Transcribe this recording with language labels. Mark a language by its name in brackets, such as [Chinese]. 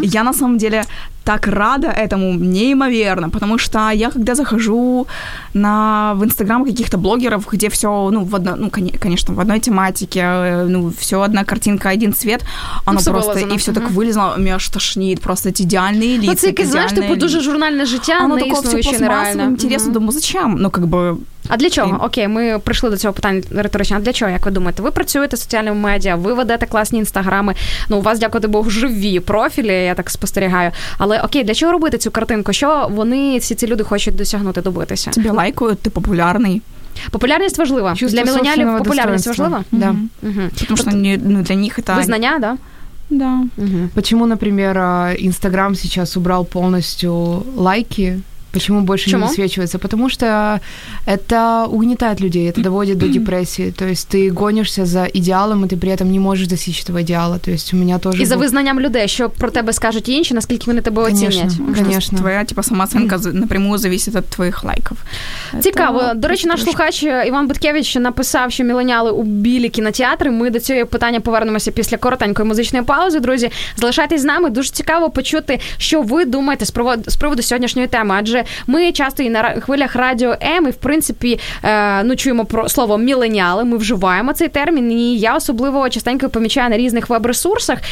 [Russian] Я на самом деле так рада этому неимоверно, потому что я, когда захожу в Инстаграм каких-то блогеров, где все, ну, в одно, ну, конечно, в одной тематике, ну, все одна картинка, один цвет, оно все просто... Вылазано. И все так вылезло, меня аж тошнит, просто эти идеальные лица. Ну, ты, идеальные, знаешь, типа, [Ukrainian] дуже журнальное життя, [Russian] оно такое все пластмассовое, интересно, думаю, зачем? Ну, как бы... [Ukrainian] А для чого? Окей, ми прийшли до цього питання риторично. А для чого, як ви думаєте? Ви працюєте в соціальному медіа, ви ведете класні інстаграми, ну, у вас, дякувати Богу, живі профілі, я так спостерігаю. Але, окей, для чого робити цю картинку? Що вони, всі ці люди, хочуть досягнути, добитися? Тобі лайкують, ти популярний. Популярність важлива. [Russian] Чувство [Ukrainian] для міленіалів популярність [Russian] достоинства. [Ukrainian] Важлива? Да. Угу. Тому що ну, для них це... Визнання, да? Да. Угу. [Russian] Почему, например, Instagram сейчас убрал полностью лайки? Почему больше [Ukrainian] Чому? [Russian] Не высвечивается? Потому что это угнетает людей, это доводит до депрессии. То есть ты гонишься за идеалом, и ты при этом не можешь достичь этого идеала. То есть у меня тоже... И за вызнанием людей, что про тебя скажут иначе, насколько они тебя оценят. Конечно. Твоя типа самооценка напрямую зависит от твоих лайков. [Ukrainian] Цікаво. До речі, наш слухач Іван Буткевич написав, що міленіали у білі кінотеатри. Ми до цього питання повернемося після коротенької музичної паузи. Друзі, залишайтесь з нами. Дуже цікаво почути, що ви думаєте з приводу сьогоднішньої теми. Адже ми часто і на хвилях радіо М, і, в принципі, ну, чуємо про слово міленіали, ми вживаємо цей термін, і я особливо частенько помічаю на різних веб-ресурсах.